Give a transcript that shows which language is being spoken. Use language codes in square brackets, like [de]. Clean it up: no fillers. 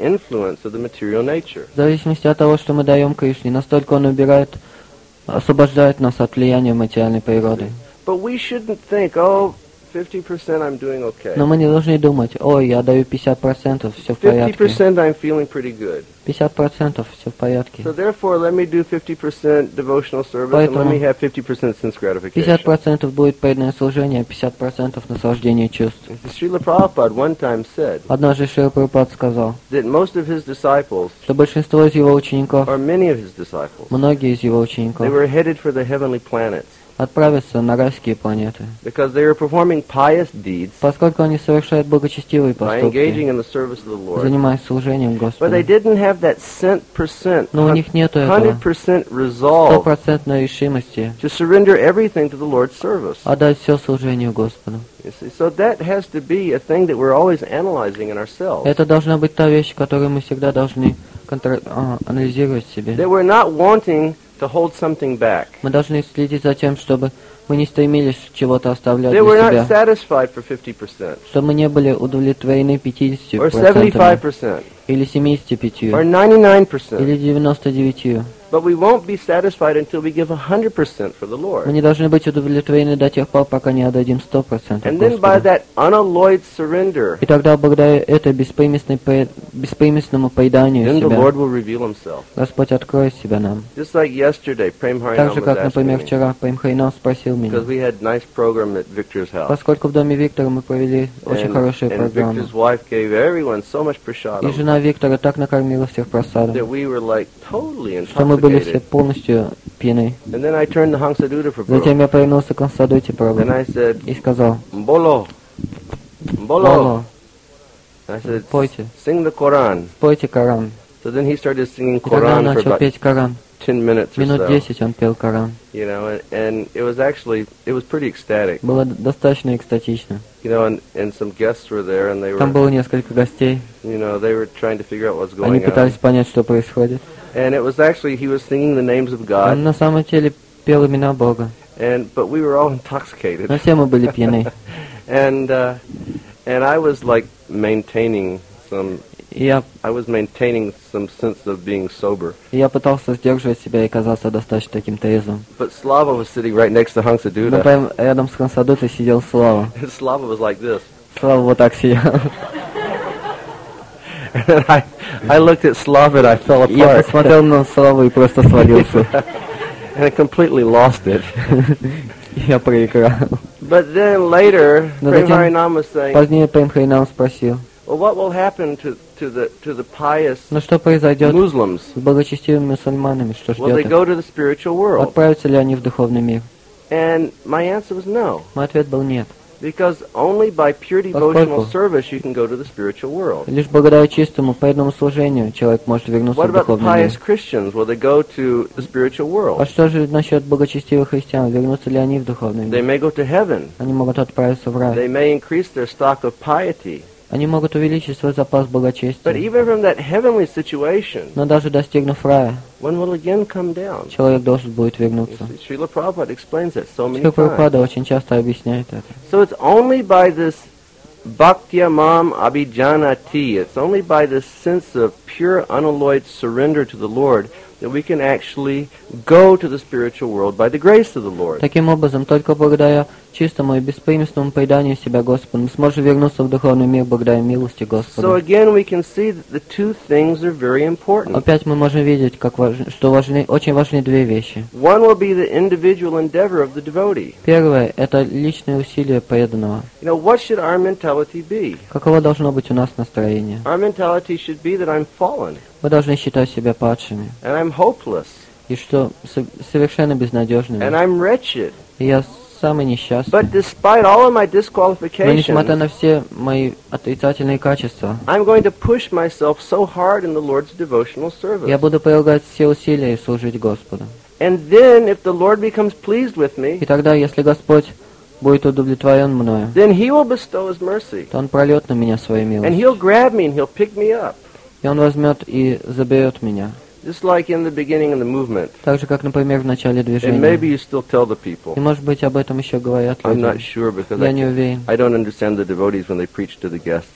[ru] В зависимости от того, что мы даем Кришне, настолько он убирает, освобождает нас от влияния материальной природы. [en] But we shouldn't think, oh, 50% I'm doing okay. [ru] Но мы не должны думать, ой, я даю 50%, все в порядке. [en] 50% I'm feeling pretty good. [ru] 50% все в порядке. [en] So therefore, let me do 50% devotional service, and let me have 50% sense gratification. 50% [ru] будет преданное служение, 50% наслаждение чувств. [en] Srila Prabhupada one time said. [ru] Однажды Шрила Прабхупад сказал. [en] That most of his disciples. [ru] Что большинство из его учеников. [en] Or many of his disciples. [ru] Многие из его учеников. [en] They were headed for the heavenly planets. [ru] Отправиться на райские планеты. [en] Because they are performing pious deeds, [ru] поскольку они совершают благочестивые поступки, [en] by engaging in the service of the Lord, [ru] занимаясь служением Господу. [en] But they didn't have that 100%, [ru] но у них нету этого [en] 100% resolve, [ru] 100% решимости [en] to surrender everything to the Lord's service. [ru] Отдать все служению Господу. [en] So that has to be a thing that we're always analyzing in ourselves. [ru] Это должна быть та вещь, которую мы всегда должны анализировать в себе. [en] That we're not wanting to hold something back. [ru] Мы должны следить за тем, чтобы мы не стремились чего-то оставлять для [en] They were not satisfied for 50%. [ru] Чтобы мы не были удовлетворены 50%. [en] Or 75%. [ru] Или 75%. [en] Or 99%. [ru] Или 99%. [en] But we won't be satisfied until we give 100% for the Lord. [ru] Мы не должны быть удовлетворены до тех пор, пока не отдадим 100%. [en] And then by that unalloyed surrender. [ru] И тогда благодаря этому беспримесному преданию себя. [en] Then the Lord will reveal Himself. [ru] Господь откроет себя нам. [en] Just like yesterday, Premhayanam. [ru] Так же как, например, вчера Премхайнам спросил меня. [en] Because we had nice program at Victor's house. [ru] Поскольку в доме Виктора мы провели очень хорошую программу. [en] And Victor's wife gave everyone so much prasadam. [ru] И жена Виктора так накормила всех просадом. [en] That we were like totally in. [ru] Мы были все полностью пьяны. [en] And then I turned to Hansaduta Prabhu. [ru] Затем я повернулся к Хансадуте Прабху. [en] And I said, [ru] и сказал, Mbolo, Mbolo. [en] I said, [ru] пойте. [en] Sing the Quran. [ru] Пойте Коран. [en] So then he started singing Quran for about 10 minutes or so. [ru] Минут 10 он пел Коран. [en] You know, and it was actually, it was pretty ecstatic. [ru] Было достаточно экстатично. [en] You know, and some guests were there, and they were. [ru] Там было несколько гостей. [en] You know, they were trying to figure out what's going on. [ru] Они пытались понять, что происходит. [en] And it was actually he was singing the names of God. [ru] Он на самом деле пел имена Бога. [en] And but we were all intoxicated. [ru] Но все мы были пьяны. [en] And I was like maintaining some. I was maintaining some sense of being sober. [ru] Я пытался сдерживать себя и казаться достаточно таким трезвым. [en] But Slava was sitting right next to Hansaduta. [ru] Но прямо рядом с Хансадутой сидел Слава. [en] Slava was like this. [ru] Слава вот так сидел. [en] And I looked at Slava and I fell apart. [ru] Я посмотрел на Славу и просто свалился. [en] And I completely lost it. [ru] Я проиграл. [en] But then later, Premhayanam was saying. [ru] Позднее Премхайнам спросил. [en] Well, what will happen to to the pious [ru] Но что произойдет [en] Muslims? [ru] С благочестивыми мусульманами? Что ждет [en] well, they [ru] их? [en] Go to the spiritual world. [ru] Отправятся ли они в духовный мир? [en] And my answer was no. [ru] Мой ответ был нет. [en] Because only by pure devotional service you can go to the spiritual world. [ru] Лишь благодаря чистому преданному служению человек может вернуться в духовный мир. [en] What about pious Christians? Will they go to the spiritual world? [ru] А что же насчет благочестивых христиан? Вернутся ли они в духовный мир? [en] They may go to heaven. [ru] Они могут отправиться в рай. [en] They may increase their stock of piety. [ru] Они могут увеличить свой запас благочестия. [en] But even from that heavenly situation, [ru] но даже достигнув рая, [en] one will again come down. [ru] Человек должен будет вернуться. [en] Шрила Прабхупада explains it so many [ru] Шрила Прабхупада очень часто объясняет это. [en] So it's only by this [sa] bhaktya mam abhijanati, [en] it's only by this sense of pure unalloyed surrender to the Lord that we can actually go to the spiritual world by the grace of the Lord. [ru] Таким образом, только благодаря чистому и беспримесному преданию себя Господу, мы сможем вернуться в духовный мир благодаря милости Господа. [en] So again, we can see that the two things are very important. [ru] Опять мы можем видеть, как важ... что важны... очень важны две вещи. [en] One will be the individual endeavor of the devotee. [ru] Первое – это личные усилия преданного. [en] You know, what should our mentality be? [ru] Каково должно быть у нас настроение? [en] Our mentality should be that I'm fallen. [ru] Мы должны считать себя падшими. [en] And I'm hopeless. [ru] И что совершенно безнадежными. [en] And I'm wretched. [ru] И я самый несчастный. [en] But despite all of my disqualifications, [ru] но несмотря на все мои отрицательные качества, [en] I'm going to push myself so hard in the Lord's devotional service. [ru] Я буду прилагать все усилия и служить Господу. [en] And then, if the Lord becomes pleased with me, [ru] и тогда, если Господь будет удовлетворен мною, [en] then he will bestow his mercy. [ru] То Он прольет на меня свою милость. [en] And he'll grab me and he'll pick me up. [ru] И Он возьмет и заберет меня. [en] Just like in the beginning of the movement. [ru] Так же, как, например, в начале движения. [en] And maybe you still tell the people. [ru] И, может быть, об этом еще говорят люди. [en] I'm not sure because I don't understand the devotees when they preach to the guests.